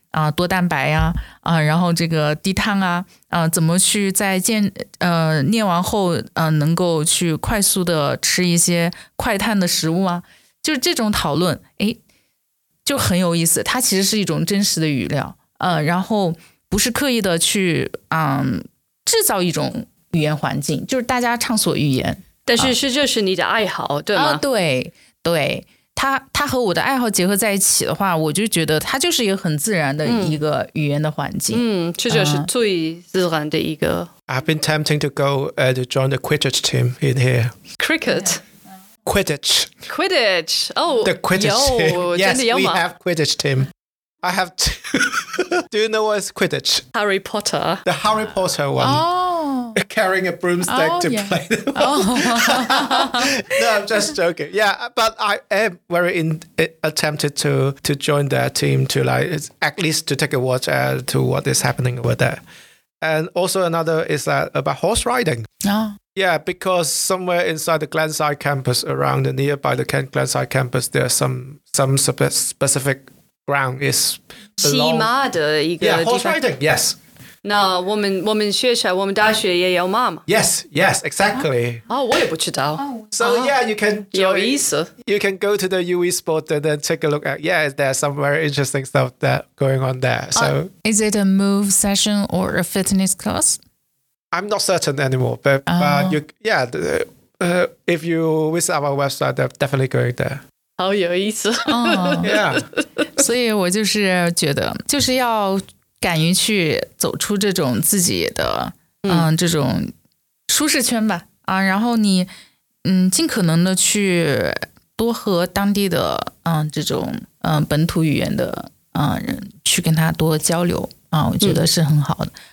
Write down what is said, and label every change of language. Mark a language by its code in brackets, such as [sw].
[zh] 多蛋白呀、然后这个低碳啊、怎么去在念完后能够去快速的吃一些快碳的食物啊，就是这种讨论，哎，就很有意思，它其实是一种真实的语料，然后不是刻意的去制造一种语言环境，就是大家畅所欲言。但是是就是你的爱好、对吗、对对，它和我的爱好结合在一起的话，我就觉得它就是一个很自然的一个语言的环境。这就是最自然的一个。 [en] I've been tempting to go and join the Quidditch team in here. Cricket?、Yeah. Quidditch. Quidditch. Oh, the Quidditch team. Yes, we have Quidditch team. I have Do you know what is Quidditch? Harry Potter. The Harry Potter one. Oh. Carrying a broomstick to play the No, I'm just joking. Yeah, but I am very attempted to join that team to like, at least to take a watch at to what is happening over there. And also another is that about horse riding. Oh. Yeah, because somewhere inside the Glenside campus, around the nearby the Glenside campus, there's some specific ground is [zh] 骑马的一个 [en] Yeah, horse riding, yes. [zh] 那我们学校我们大学也有马吗 [en] Yes, yes, exactly. [zh] 啊、我也不知道。 [en] So yeah, you can join, [zh] 有意思。 [en] You can go to the UE sport and then take a look at, yeah, there's some very interesting stuff that going on there. So, is it a move session or a fitness class? I'm not certain anymore, but, if you visit our website, they're definitely going there. [zh] 好有意思。 [en] Yeah. [zh] 所以我就是觉得就是要敢于去走出这种自己的这种舒适圈吧。然后你尽可能的去多和当地的这种本土语言的人去跟他多交流。我觉得是很好的。